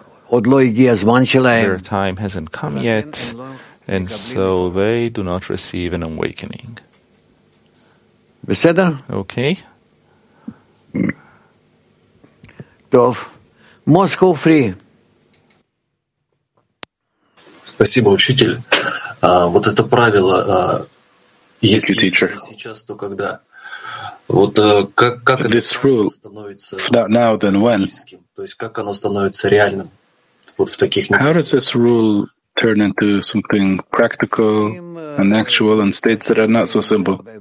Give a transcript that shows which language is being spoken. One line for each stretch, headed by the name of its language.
English: Their time hasn't come yet, and so they do not receive an awakening. Okay.
Russian: Тов. Москва free. Спасибо, учитель. Вот это правило есть сейчас, то когда. Вот как это становится физическим? То есть как оно становится реальным? Вот в таких неприятностях.
English: How does this rule turn into something practical and actual in states that are not so simple.